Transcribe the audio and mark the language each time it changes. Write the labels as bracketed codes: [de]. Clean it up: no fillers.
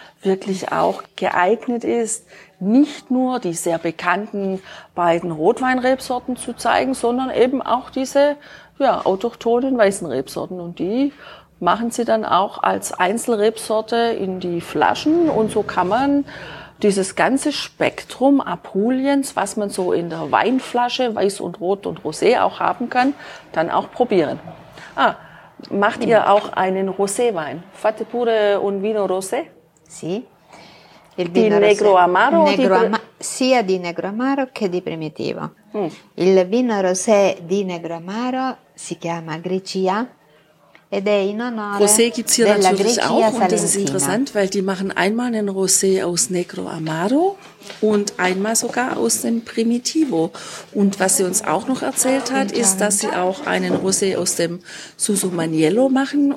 [de] wirklich auch geeignet ist, nicht nur die sehr bekannten beiden Rotweinrebsorten zu zeigen, sondern eben auch diese autochthonen weißen Rebsorten und die machen sie dann auch als Einzelrebsorte in die Flaschen und so kann man dieses ganze Spektrum Apuliens, was man so in der Weinflasche, Weiß und Rot und Rosé auch haben kann, dann auch probieren. Ah, macht ihr auch einen Roséwein? [it] Fate pure un vino rosé? Sì. Il vino di Negro rosé. Amaro? Negro sia di Negro Amaro che di Primitivo. Il vino rosé di Negro Amaro si chiama Gricia. [de] Rosé gibt es hier natürlich auch und das ist interessant, weil die machen einmal einen Rosé aus Negro Amaro und einmal sogar aus dem Primitivo. Und was sie uns auch noch erzählt hat, ist, dass sie auch einen Rosé aus dem Susumaniello machen.